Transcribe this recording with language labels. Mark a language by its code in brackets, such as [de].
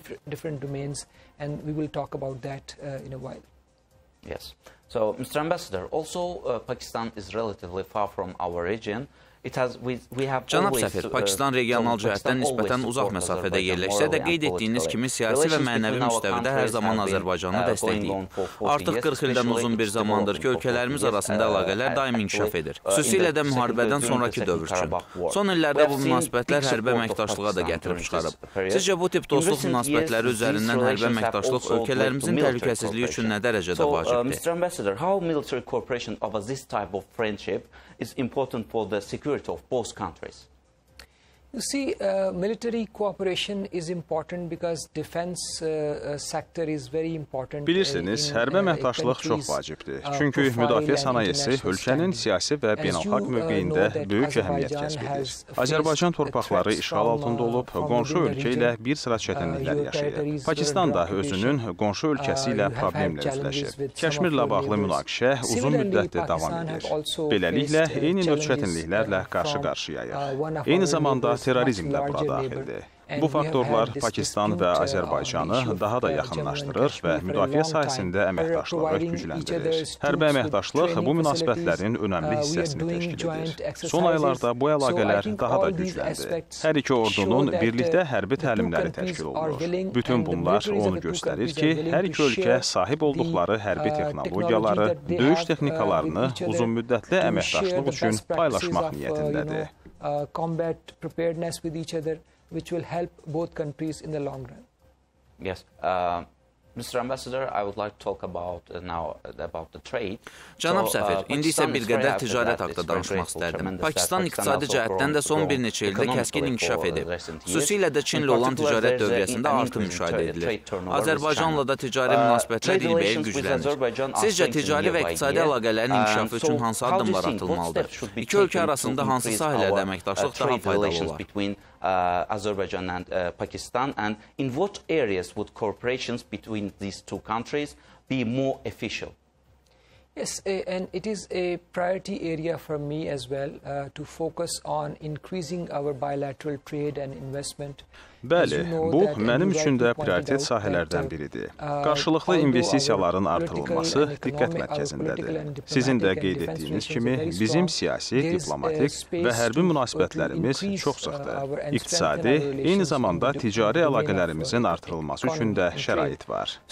[en] Different domains, and we will talk about that in a while. Yes. So, Mr. Ambassador, also Pakistan is relatively far from our region. [az] Cənab səfir, Pakistan regional cəhətdən nisbətən uzaq məsafədə yerləşsə də qeyd etdiyiniz kimi siyasi və mənəvi müstəvidə hər zaman Azərbaycanı dəstəkləyib. Artıq 40 ildən uzun bir zamandır ki, ölkələrimiz arasında əlaqələr daim inkişaf edir. Xüsusilə də müharibədən sonrakı dövr üçün. Son illərdə bu münasibətlər hərbi əməkdaşlığa da gətirib çıxarıb. Sizcə bu tip dostluq münasibətləri üzərindən hərbi əməkdaşlıq ölkələrimizin təhlükəsizliyi üçün nə dərəcədə vacibdir? [en] Is important for the security of both countries. You see, military cooperation is important because defense sector is very important. [az] Bilirsiniz, hərbi əməkdaşlıq çox vacibdir. Çünki müdafiə sənayesi ölkənin siyasi və beynəlxalq mövqeyində böyük əhəmiyyət kəsb edir. Azərbaycan torpaqları işğal altında olub, qonşu ölkə ilə bir sıra çətinliklər yaşayır. Pakistan da özünün qonşu ölkəsi ilə problemlə üzləşir. Kəşmirlə bağlı münaqişə uzun müddətdir davam edir. Beləliklə, eyni növ çətinliklərlə qarşı-qarşıyayıq. Eyni zamanda terrorizm də bura daxildir. Bu faktorlar Pakistan və Azərbaycanı daha da yaxınlaşdırır və müdafiə sahəsində əməkdaşlığı gücləndirir. Hərbi əməkdaşlıq bu münasibətlərin önəmli hissəsini təşkil edir. Son aylarda bu əlaqələr daha da gücləndi. Hər iki ordunun birlikdə hərbi təlimləri təşkil olunur. Bütün bunlar onu göstərir ki, hər iki ölkə sahib olduqları hərbi texnologiyaları, döyüş texnikalarını uzunmüddətli əməkdaşlıq üçün paylaşmaq niyyətindədir. [en] Combat preparedness with each other, which will help both countries in the long run. Yes. Mr. Ambassador, I would like to talk about now about the trade. [az] Cənab səfir, indi isə bir qədər ticarət haqqında danışmaq istərdim. Pakistan iqtisadi cəhətdən də son bir neçə ildə kəskin inkişaf edib. Xüsusilə də Çinlə olan ticarət dövriyyəsində artım müşahidə edilir. Azərbaycanla da ticari münasibətlər ilbəil güclənir. Sizcə ticari və iqtisadi əlaqələrin inkişafı üçün hansı addımlar atılmalıdır? İki ölkə arasında hansı sahələrdə əməkdaşlıq daha faydalı olar? [en] Azerbaijan and Pakistan, and in what areas would cooperations between these two countries be more efficient? Yes, and it is a priority area for me as well to focus on increasing our bilateral trade and investment. [az] Bəli, bu mənim üçün də prioritet sahələrdən biridir. Qarşılıqlı investisiyaların artırılması diqqət mərkəzindədir. Sizin də qeyd etdiyiniz kimi, bizim siyasi, diplomatik və hərbi münasibətlərimiz çox sıxdır. İqtisadi, eyni zamanda ticari əlaqələrimizin artırılması üçün də şərait var.